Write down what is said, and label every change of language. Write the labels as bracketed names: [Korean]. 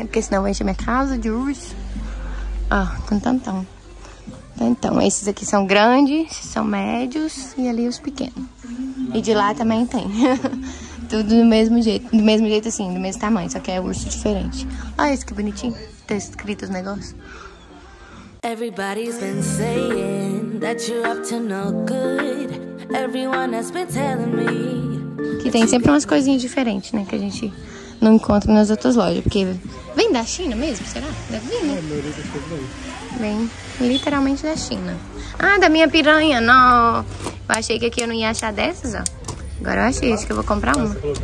[Portuguese] Porque senão vai encher minha casa de urso. Ó, tantantão. Então, esses aqui são grandes, são médios e ali os pequenos. E de lá também tem. Tudo do mesmo jeito. Do mesmo jeito assim, do mesmo tamanho. Só que é urso diferente. Olha esse que bonitinho. Tá escrito os negócios. [English] Everybody's been saying that you're up to no good. Everyone has been telling me. [Portuguese] Que tem sempre umas coisinhas diferentes, né? Que a gente não encontra nas outras lojas. Porque vem da China mesmo, será? Deve vir, né? Vem literalmente da China. Ah, da minha piranha, não. Eu achei que aqui eu não ia achar dessas, ó. Agora eu achei, acho que eu vou comprar uma.